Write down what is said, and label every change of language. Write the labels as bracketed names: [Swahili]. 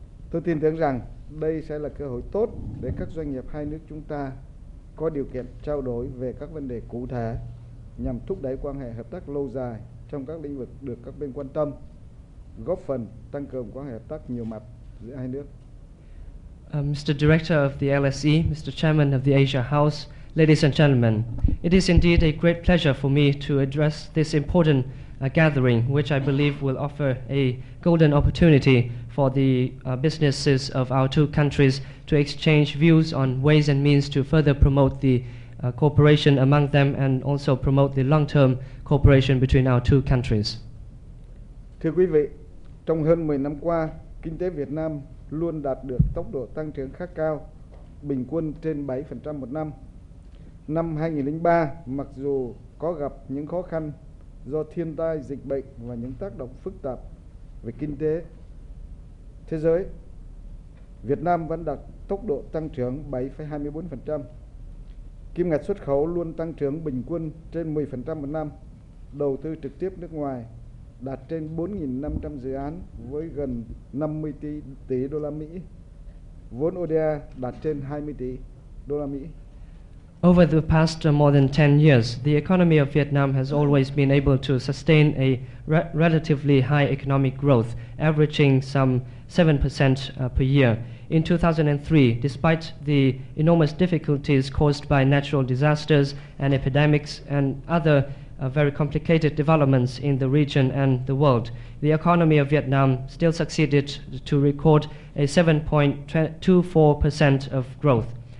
[Vietnamese] Tôi tin tưởng rằng đây sẽ là cơ hội tốt để các doanh nghiệp hai nước chúng ta có điều kiện trao đổi về các vấn đề cụ thể nhằm thúc đẩy quan hệ hợp tác lâu dài trong các lĩnh vực được các bên quan tâm, góp phần tăng cường quan hệ hợp tác nhiều mặt giữa hai nước. [English] Mr. Director of the LSE, Mr. Chairman of the Asia House, Ladies and gentlemen, it is indeed a great pleasure for me to address this important gathering, which I believe will offer a golden opportunity for the businesses of our two countries to exchange views on ways and means to further promote the cooperation among them and also promote the long-term cooperation between our two countries. [Vietnamese] Thưa quý vị, trong hơn 10 năm qua, kinh tế Việt Nam luôn đạt được tốc độ tăng trưởng khá cao, bình quân trên 7% một năm. Năm 2003, mặc dù có gặp những khó khăn do thiên tai, dịch bệnh và những tác động phức tạp về kinh tế thế giới, Việt Nam vẫn đạt tốc độ tăng trưởng 7,24%. Kim ngạch xuất khẩu luôn tăng trưởng bình quân trên 10% một năm. Đầu tư trực tiếp nước ngoài đạt trên 4.500 dự án với gần 50 tỷ đô la Mỹ. Vốn ODA đạt trên 20 tỷ đô la Mỹ. [English] Over the past more than 10 years, the economy of Vietnam has always been able to sustain a relatively high economic growth, averaging some 7% per year. In 2003, despite the enormous difficulties caused by natural disasters and epidemics and other very complicated developments in the region and the world, the economy of Vietnam still succeeded to record a 7.24% of growth.